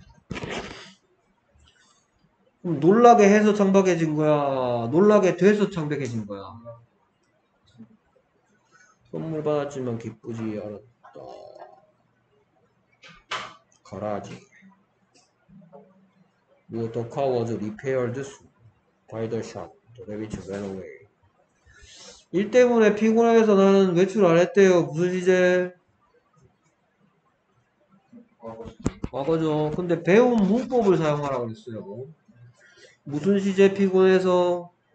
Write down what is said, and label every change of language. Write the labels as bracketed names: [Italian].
[Korean] 그럼 놀라게 해서 창백해진 거야? 놀라게 돼서 창백해진 거야? 선물 받았지만 기쁘지 않았다. 가라지. 뭐, [English] the car was repaired by the shot. The rabbit ran away. [Korean] 일 때문에 피곤해서 나는 외출 안 했대요. 무슨 시제? 과거죠. 근데 배운 문법을 사용하라고 했어요. 무슨 시제 피곤해서?